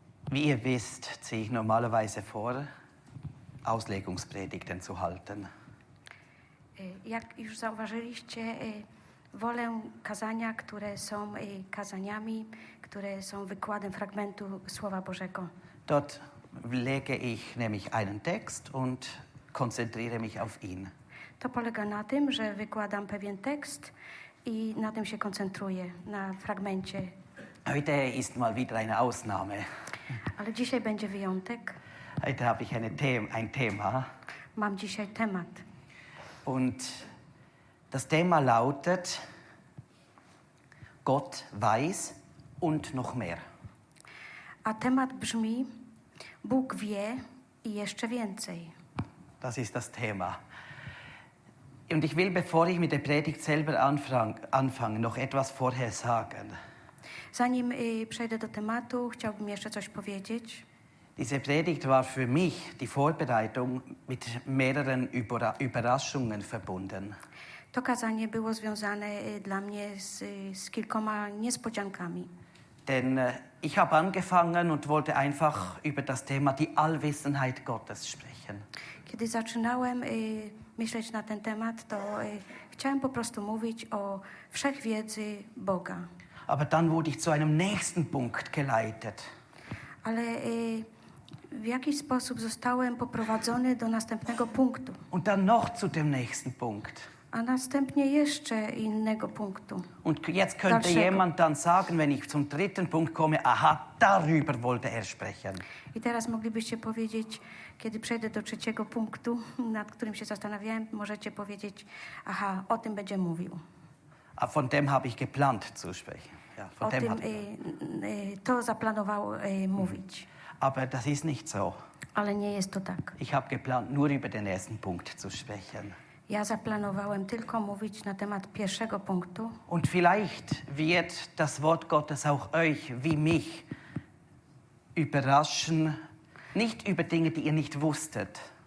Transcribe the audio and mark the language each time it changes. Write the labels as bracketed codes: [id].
[de] Wie ihr wisst, ziehe ich normalerweise vor, Auslegungspredigten zu halten. [pl] Jak już zauważyliście, wolę kazania, które są kazaniami, które są wykładem fragmentu Słowa Bożego. [de] Dort lege ich nämlich einen Text und konzentriere mich auf ihn. [pl] To polega na tym, że wykładam pewien tekst i na tym się koncentruję, na fragmencie. [de] Heute ist mal wieder eine Ausnahme. [pl] Ale dzisiaj będzie wyjątek. [de] Heute habe ich ein Thema. [pl] Mam dzisiaj temat. [de] Und das Thema lautet: Gott weiß und noch mehr. [pl] A temat brzmi: Bóg wie i jeszcze więcej. [de] Das ist das Thema. Und ich will, bevor ich mit der Predigt selber anfange, noch etwas vorher sagen. [pl] Zanim przejdę do tematu, chciałbym jeszcze coś powiedzieć. [de] Diese Predigt war für mich die Vorbereitung mit mehreren Überraschungen verbunden. [pl] To kazanie było związane dla mnie z kilkoma niespodziankami. [de] Denn ich habe angefangen und wollte einfach über das Thema die Allwissenheit Gottes sprechen. [pl] Kiedy zaczynałem myśleć na ten temat, to chciałem po prostu mówić o wszechwiedzy Boga. [de] Aber dann wurde ich zu einem nächsten Punkt geleitet. [pl] Ale w jakiś sposób zostałem poprowadzony do następnego punktu. [de] Und dann noch zu dem nächsten Punkt. [pl] A następnie jeszcze innego punktu. [de] Und jetzt könnte [pl] dalszego. [de] Jemand dann sagen, wenn ich zum dritten Punkt komme, aha, darüber wollte sprechen. [pl] I teraz moglibyście powiedzieć, kiedy przejdę do trzeciego punktu, nad którym się zastanawiałem, możecie powiedzieć, aha, o tym będzie mówił. [de] A von dem habe ich geplant zu sprechen. [pl] Ja, [de] von [pl] o [de] dem [pl] tym to zaplanował mówić. [de] Aber das ist nicht so. [pl] Ale nie jest to tak. [de] Ich habe geplant, nur über den ersten Punkt zu sprechen. [pl] Ja zaplanowałem tylko mówić na temat pierwszego punktu. [de] Und vielleicht wird das Wort Gottes auch euch wie mich überraschen, nicht über Dinge, die ihr nicht wusstet.